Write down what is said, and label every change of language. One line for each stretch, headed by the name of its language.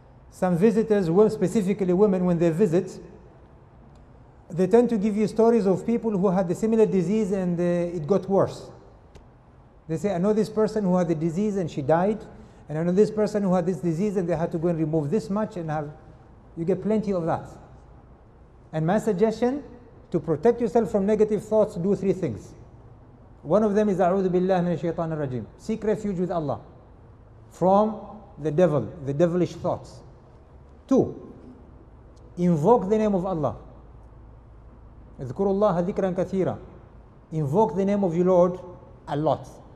English: Some visitors, well, specifically women, when they visit, they tend to give you stories of people who had a similar disease and it got worse. They say, I know this person who had the disease and she died. And I know this person who had this disease and they had to go and remove this much and have... You get plenty of that. And my suggestion, to protect yourself from negative thoughts, do three things. One of them is
Arabic: أعوذ بالله من الشيطان الرجيم.
English: Seek refuge with Allah from the devil, the devilish thoughts. Two, invoke the name of Allah.
Arabic: اذكروا الله ذكرا كثيرا.
English: Invoke the name of your Lord a lot.